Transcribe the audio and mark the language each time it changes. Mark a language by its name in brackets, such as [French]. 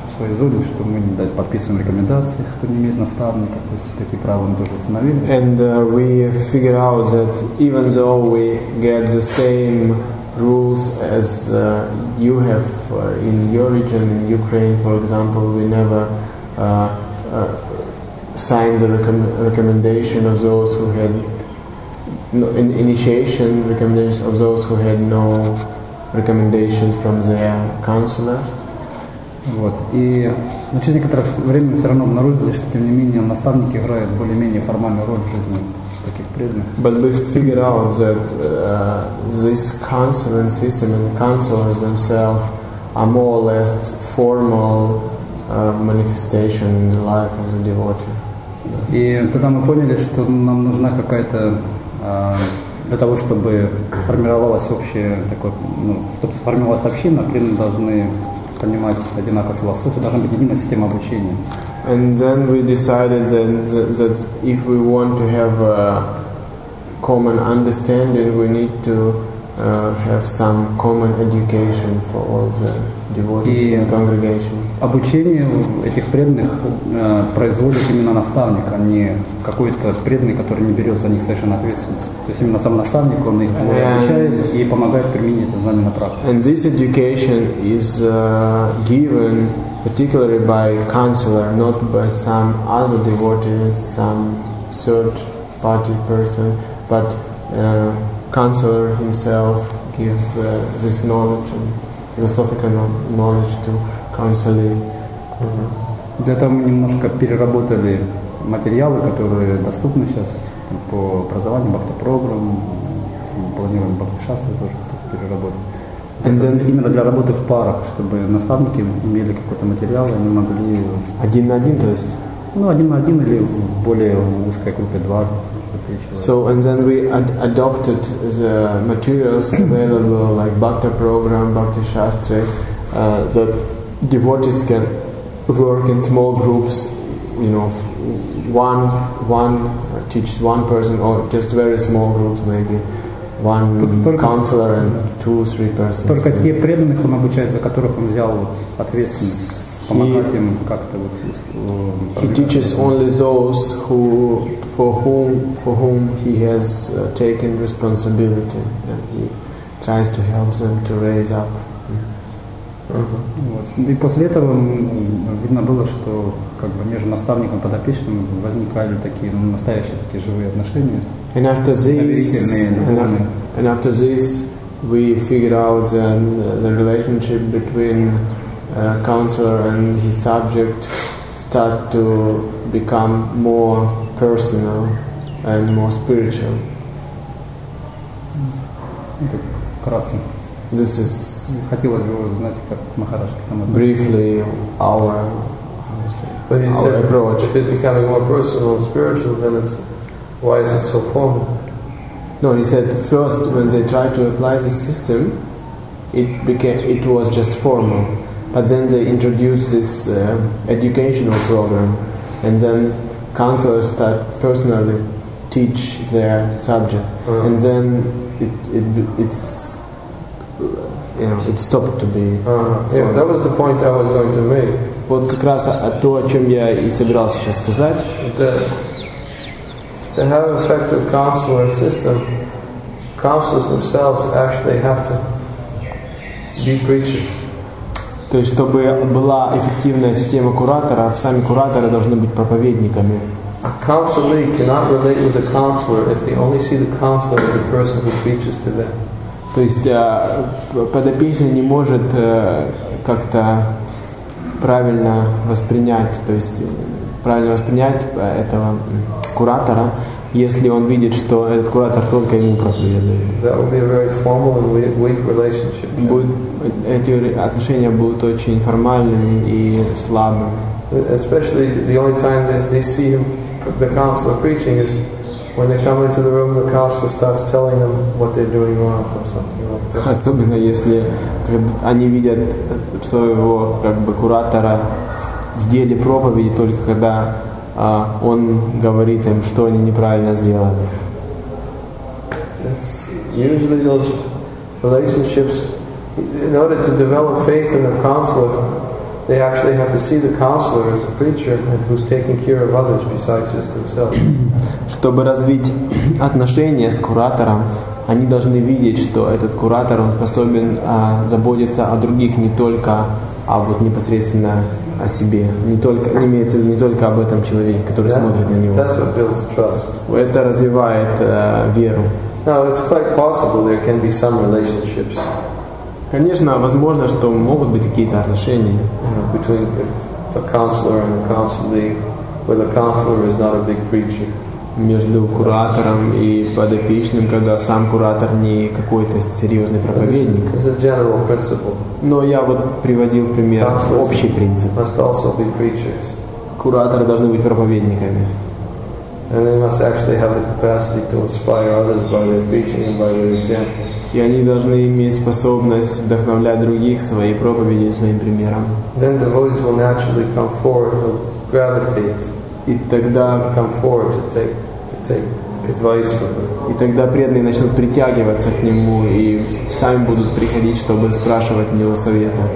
[Russian] Своей зоне, что мы не дать подписываем рекомендации, кто не имеет наставника, то есть такие правила мы тоже установили. [English] And we figured out that even though we get the same rules as you have in your region, in Ukraine, for example, we never signed the recommendation of those who had no, initiation recommendations of those who had no recommendations from their counselors. [Russian] Вот. И через некоторое время мы все равно обнаружили, что тем не менее наставники играют более-менее формальную роль в жизни таких преданных. [English] But we figured out that this counseling system and counselors themselves are more or less formal manifestation in the life of the devotee. [Russian] И тогда мы поняли, что нам нужна какая-то для того, чтобы формировалась общая такое, ну, чтобы сформировалась община, преданные должны понимать одинаковую философию, должна быть единая система обучения. [English] And then we decided that if we want to have a common understanding, we need to have some common education for all the devotees in the congregation. [Russian] Обучение этих преданных производит именно наставник, а не какой-то преданный, который не берет за них совершенно ответственность. То есть именно сам наставник, он их обучает и помогает применить это знание на практике. [English] And this education is given particularly by counselor, not by some other devotee, some third party person, but counselor himself gives this knowledge and philosophical knowledge to counseling. Mm-hmm. [Russian] Для этого мы немножко переработали материалы, которые доступны сейчас по образованию, бхакти-программ, планируем бхакти-шастры тоже переработать. [English] And then, [Russian] именно для работы в парах, чтобы наставники имели какой-то материал, они могли... Один на один, то есть? Ну, один на один или в более узкой группе, два. [English] So, and then we adopted the materials available, like Bhakti program, Bhakti Shastri, that devotees can work in small groups, you know, one teaches one person, or just very small groups, maybe one counselor and two, three persons. [Russian] Только те преданных он обучает, за которых он взял ответственность. помогать им как-то вот. [English] He teaches only those who for whom he has taken responsibility, and he tries to help them to raise up. [Russian] Вот. И после этого видно было, что как бы между наставником и подопечным возникали такие настоящие такие живые отношения. [English] And after this, we figured out then the relationship between counselor and his subject start to become more personal and more spiritual. [Russian] Это вкратце. [English] This is [Russian] хотелось бы узнать, как Махарадж к этому. [English] Briefly, our approach. If it's becoming more personal and spiritual, then it's why is it so formal? No, he said first when they tried to apply the system, it was just formal. But then they introduced this educational program, and then counselors start personally teach their subject, and then it's. It stopped to be. That was the point I was going to make. [Russian] Вот как раз то, о чем я и собирался сейчас сказать. [English] To have effective counselor system, counselors themselves actually have to be preachers. [Russian] То есть чтобы была эффективная система кураторов, сами кураторы должны быть проповедниками. [English] A counselee cannot relate with a counselor if they only see the counselor as a person who preaches to them. [Russian] То есть подопечный не может как-то правильно воспринять, то есть правильно воспринять этого куратора, если он видит, что этот куратор только ему проповедует. [English] That would be a very formal and weak relationship. [Russian] Эти отношения будут очень формальными и слабыми. [English] Especially the only time that they see him, the counselor preaching is. When they come into the room, the counselor starts telling them what they're doing wrong or something like that. [Russian] Особенно если они видят своего как бы куратора в деле проповеди только когда он говорит им, что они неправильно сделали. [English] It's usually those relationships. In order to develop faith in a counselor, they actually have to see the counselor as a preacher and who's taking care of others besides just themselves. [Russian] Чтобы развить отношения с куратором, они должны видеть, что этот куратор он способен заботиться о других не только а вот непосредственно о себе, не только имеется в виду не только об этом человеке, который смотрит на него. [English] That's what builds trust. [Russian] Это развивает веру. [English] No, it's quite possible there can be some relationships. [Russian] Конечно, возможно, что могут быть какие-то отношения [English] between the counselor and the counselee, where the counselor is not a big preacher. [Russian] Между куратором и подопечным, когда сам куратор не какой-то серьезный проповедник. [English] It's a general principle. [Russian] Но я вот приводил пример, общий принцип. [English] Must also be preachers. [Russian] Кураторы должны быть проповедниками. [English] And they must actually have the capacity to inspire others by their preaching and by their example. [Russian] И они должны иметь способность вдохновлять других своей проповедью, своим примером. [English] Then devotees will naturally come forward, they'll gravitate. [Russian] И тогда [English] come forward to take advice from them. [Russian] И тогда преданные начнут притягиваться к нему и сами будут приходить, чтобы спрашивать у него совета.